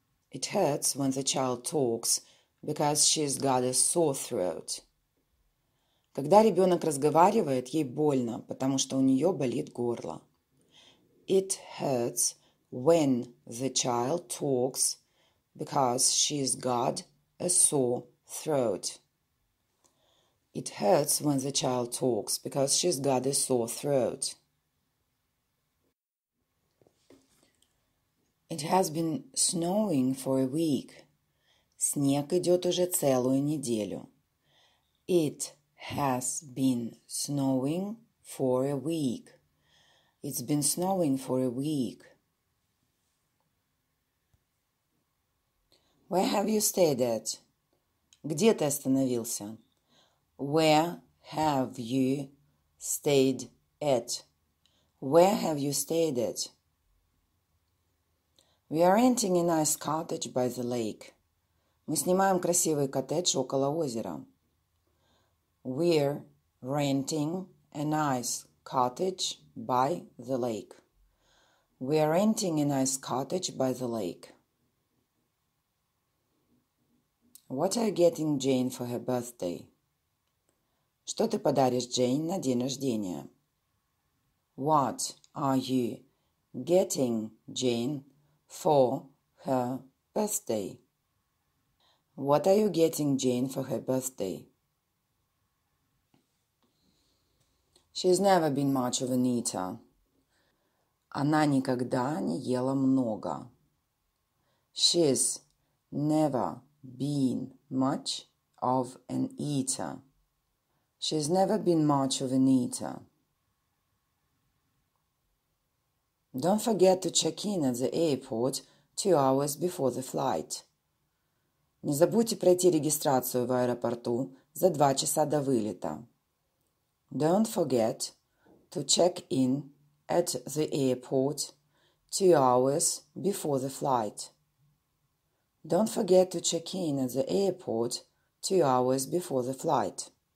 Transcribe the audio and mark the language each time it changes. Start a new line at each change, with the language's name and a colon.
English: It hurts when the child talks because she's got a sore throat.
Russian: Когда ребенок разговаривает, ей больно, потому что у нее болит горло.
English: It hurts when the child talks because she's got a sore throat. It hurts when the child talks because she's got a sore throat. It has been snowing for a week.
Russian: Снег идет уже целую неделю.
English: It has been snowing for a week. It's been snowing for a week. Where have you stayed at?
Russian: Где ты остановился?
English: Where have you stayed at? Where have you stayed at? We are renting a nice cottage by the lake.
Russian: Мы снимаем красивый коттедж около озера.
English: We're renting a nice cottage by the lake. We're renting a nice cottage by the lake. What are you getting Jane for her birthday?
Russian: Что ты подаришь Джейн на день рождения?
English: What are you getting Jane for her birthday? What are you getting Jane for her birthday? She's never been much of an eater.
Russian: Она никогда не ела много.
English: She's never been much of an eater. She's never been much of an eater. Don't forget to check in at the airport 2 hours before the flight.
Russian: Не забудьте пройти регистрацию в аэропорту за 2 часа до вылета.
English: Don't forget to check in at the airport 2 hours before the flight. Don't forget to check in at the airport 2 hours before the flight.